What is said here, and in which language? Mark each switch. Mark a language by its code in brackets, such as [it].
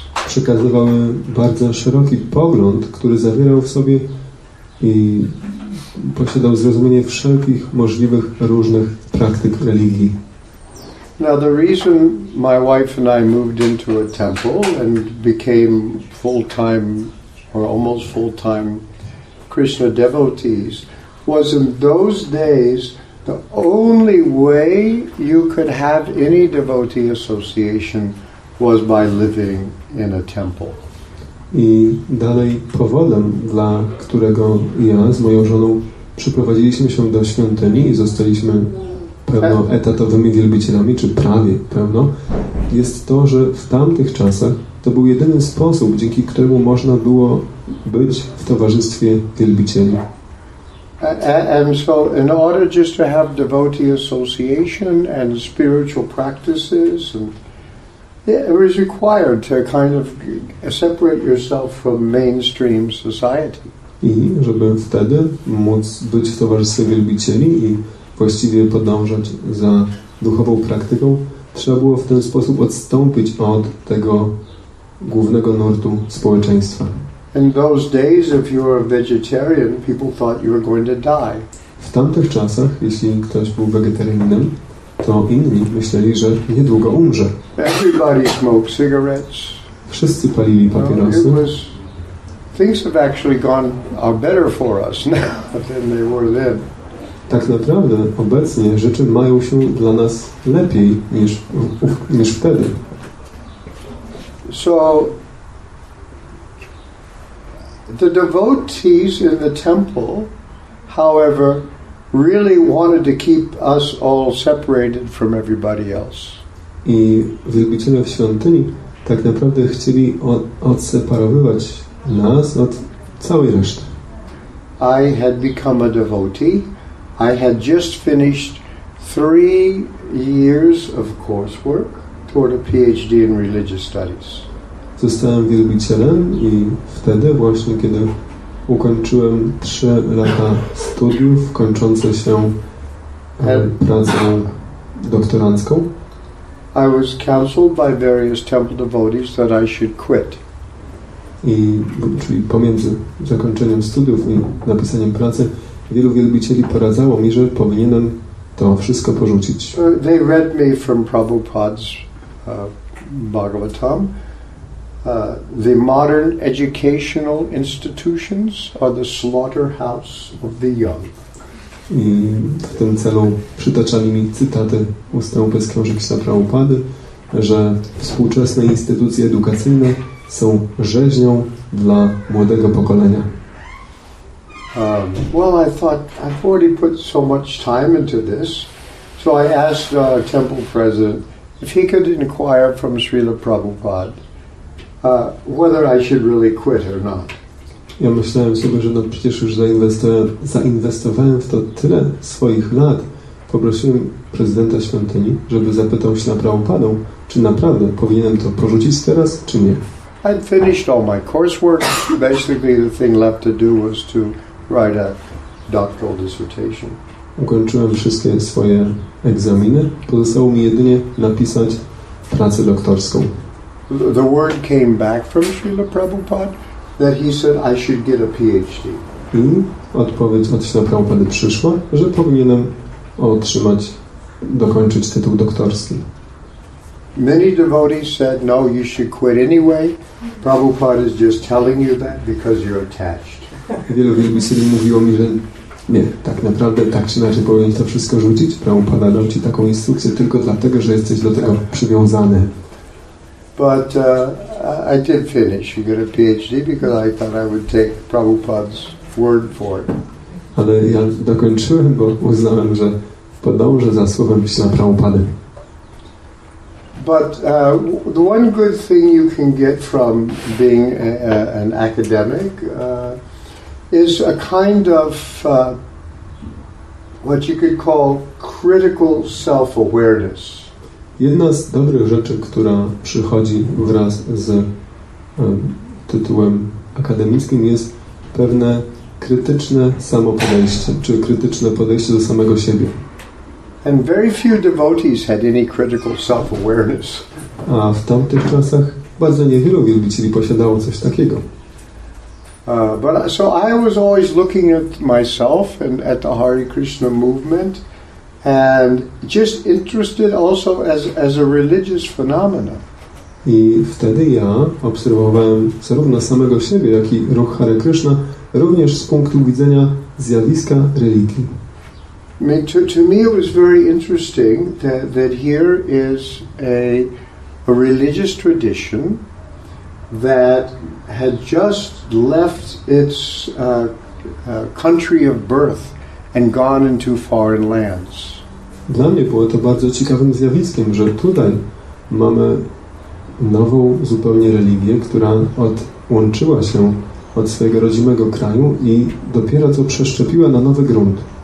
[pl] Przekazywały bardzo szeroki pogląd, który zawierał w sobie i posiadał zrozumienie wszelkich możliwych różnych praktyk religii. [en] Now the reason my wife and I moved into a temple and became full-time or almost full-time Krishna devotees was in those days the only way you could have any devotee association was by living in a temple. [pl] I dalej powodem, dla którego ja z moją żoną przyprowadziliśmy się do świątyni i zostaliśmy pełnoetatowymi wielbicielami, czy prawie pełno, jest to, że w tamtych czasach to był jedyny sposób, dzięki któremu można było być w towarzystwie wielbicieli. [en] And so in order just to have devotee association and spiritual practices, it was required to kind of separate yourself from mainstream society. [pl] I żeby wtedy móc być w towarzystwie wielbicieli i właściwie podążać za duchową praktyką, trzeba było w ten sposób odstąpić od tego głównego nurtu społeczeństwa. [en] In those days, if you were a vegetarian, people thought you were going to die. [pl] W tamtych czasach, jeśli ktoś był wegetarianinem, to inni myśleli, że niedługo umrze. [en] Everybody smoked cigarettes. [pl] Wszyscy palili papierosy. [en] Things have actually gone are better for us now than they were then. [pl] Tak naprawdę obecnie rzeczy mają się dla nas lepiej niż wtedy. [en] So the devotees in the temple, however, really wanted to keep us all separated from everybody else. [pl] I wielbiciele w świątyni tak naprawdę chcieli odseparowywać nas od całej reszty. [en] I had become a devotee. I had just finished 3 years of coursework toward a PhD in religious studies. [pl] Zostałem wielbicielem i wtedy właśnie, kiedy ukończyłem 3 lata studiów kończące się pracą doktorancką, [en] I was counseled by various temple devotees that I should quit. [pl] I czyli pomiędzy zakończeniem studiów i napisaniem pracy wielu wielbicieli poradzało mi, że powinienem to wszystko porzucić. [en] They read me from Prabhupada's Bhagavatam. The modern educational institutions are the slaughterhouse of the young. [pl] I w tym celu przytaczali mi cytaty ustępu z książek Prabhupady, że współczesne instytucje edukacyjne są rzeźnią dla młodego pokolenia. [en] Well, I thought I've already put so much time into this, so I asked our temple president if he could inquire from Srila Prabhupada whether I should really quit or not. [pl] Ja myślałem sobie, że no przecież już zainwestowałem w to tyle swoich lat. Poprosiłem prezydenta świątyni, żeby zapytał się na Prabhupadę, czy naprawdę powinienem to porzucić teraz, czy nie. [en] I'd finished all my coursework. Basically, the thing left to do was to write a doctoral dissertation. [pl] Ukończyłem wszystkie swoje egzaminy. Pozostało mi jedynie napisać pracę doktorską. [en] The word came back from Srila Prabhupada that he said I should get a PhD. [pl] I odpowiedź od Srila Prabhupada przyszła, że powinienem otrzymać, dokończyć tytuł doktorski. [en] Many devotees said no, you should quit anyway. Prabhupada is just telling you that because you're attached. [pl] Wielu wielbicieli mówiło mi, że nie, tak naprawdę, tak czy inaczej powinien to wszystko rzucić. Prabhupada dał ci taką instrukcję tylko dlatego, że jesteś do tego przywiązany. [en] But I did finish and get a PhD because I thought I would take Prabhupada's word for it. [pl] Ale ja dokończyłem, bo uznałem, że podążę za słowem Śla Prabhupady. [en] But the one good thing you can get from being an academic is a kind of what you could call critical self-awareness. [pl] Jedna z dobrych rzeczy, która przychodzi wraz z tytułem akademickim, jest pewne krytyczne samopodejście, czy krytyczne podejście do samego siebie. [en] And very few devotees had any critical self-awareness. [pl] A w tamtych czasach bardzo niewielu wielbicieli posiadało coś takiego. [en] So I was always looking at myself and at the Hare Krishna movement and just interested also as a religious phenomenon. [pl] I wtedy ja obserwowałem zarówno samego siebie, jak i ruch Hare Krishna również z punktu widzenia zjawiska religii. [en] I mean, to me it was very interesting that here is a religious tradition that had just left its country of birth and gone into foreign lands. [pl] Dla mnie było to bardzo ciekawym zjawiskiem, że tutaj mamy nową zupełnie religię, która odłączyła się od swojego rodzimego kraju i dopiero co przeszczepiła na nowy grunt.